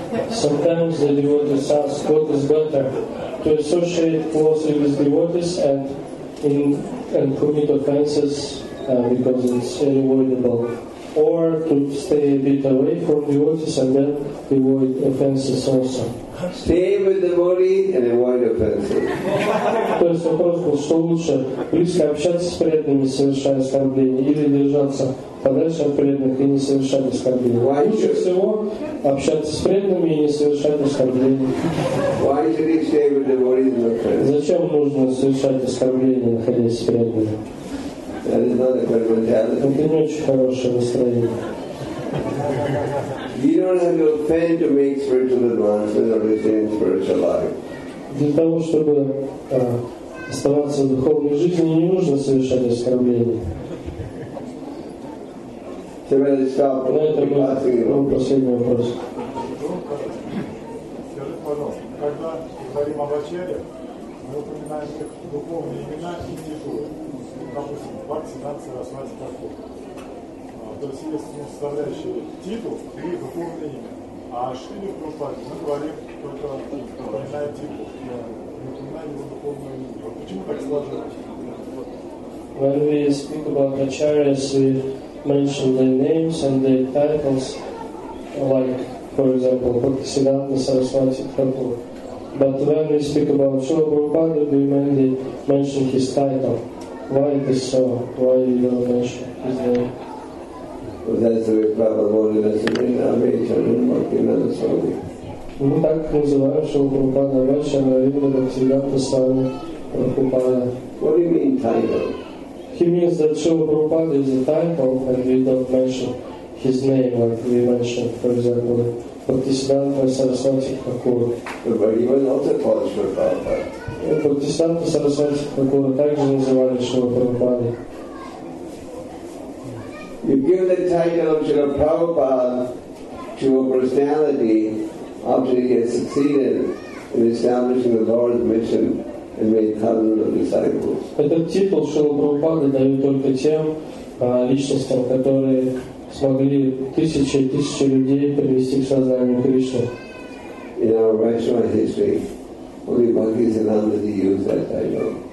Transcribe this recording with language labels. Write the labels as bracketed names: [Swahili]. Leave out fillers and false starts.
[English] Sometimes the devotees ask what is better, to associate closely with devotees and commit offenses because it's unavoidable, or to stay a bit away from devotees and then avoid offenses also. Stay with the body and avoid offenses. [Russian] То есть вопрос был, что лучше, близко общаться с преданными, совершая оскорбления, или держаться подальше от преданных и не совершать оскорбления. [English] Why [Russian] лучше [English] should... [Russian] всего общаться с преданными и не совершать оскорбления. [English] Why should he stay with the body and offenses? [Russian] Зачем нужно совершать оскорбления, находясь с преданными? [English] That is not a good mentality. [Russian] Это не очень хорошее настроение. [English] You don't have to offend to make spiritual advancement or retain spiritual life. [Russian] Для того, чтобы оставаться в духовной жизни, не нужно совершать оскорбления. [English] So we'll stop. [Russian] На этом мы последний вопрос. Скажите, пожалуйста, когда говорим о вечере, мы упоминаем духовные имена и титулы. Допустим, Бхакти, Нанси, Расвати, Тарку. То есть есть составляющие титул и духовные имя. А Шрили Прабхупаде мы говорим только упоминая титул. Мы упоминаем его духовное имя. Почему так сложилось? [English] When we speak about acharyas, we mention their names and their titles, like, for example, Bhaktisiddhanta Saraswati Prabhu. But when we speak about Srila Prabhupada, we mainly mention his title. Why it is so? Why you don't mention his name? Well, that's the way Prabhupada wanted us to bring our Vaishnava and Bhaktivinoda Swami. [Russian] Мы так называем Srila Prabhupada Vaishnava Vinoda Bhaktivinoda Swami Prabhupada. [English] What do you mean title? He means that Srila Prabhupada is a title and we don't mention his name like we mentioned, for example, Bhaktisiddhanta Saraswati Thakur. But he was also called Srila Prabhupada. [Russian] Bhaktisiddhanta Saraswati Thakur также называли Srila Prabhupada. [English] You give the title of Srila Prabhupada to a personality after he has succeeded in establishing the Lord's mission. [Russian] Этот титул Шрилы Прабхупады дают только тем личностям, которые смогли тысячи и тысячи людей привести к сознанию Кришны. [English] In our Vaishnava history, only Bhaktisiddhanta used that title.